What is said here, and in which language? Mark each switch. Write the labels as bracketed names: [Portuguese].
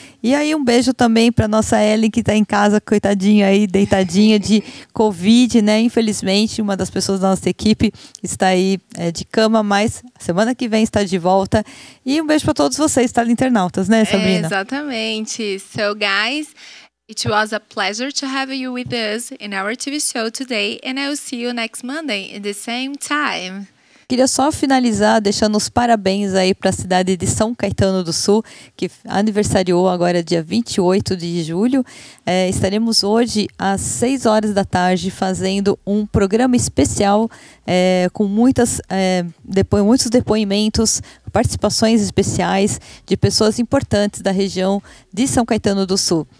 [Portuguese] E aí um beijo também para nossa Ellen, que está em casa, coitadinha aí, deitadinha de Covid, né? Infelizmente, uma das pessoas da nossa equipe está aí de cama, mas semana que vem está de volta. E um beijo para todos vocês, tá, internautas, né, Sabrina? Exatamente. [English] So, guys, it was a pleasure to have you with us in our TV show today, and I will see you next Monday in the same time. [Portuguese] Queria só finalizar deixando os parabéns aí para a cidade de São Caetano do Sul, que aniversariou agora dia 28 de julho. Estaremos hoje às 6 horas da tarde fazendo um programa especial com muitos depoimentos, participações especiais de pessoas importantes da região de São Caetano do Sul.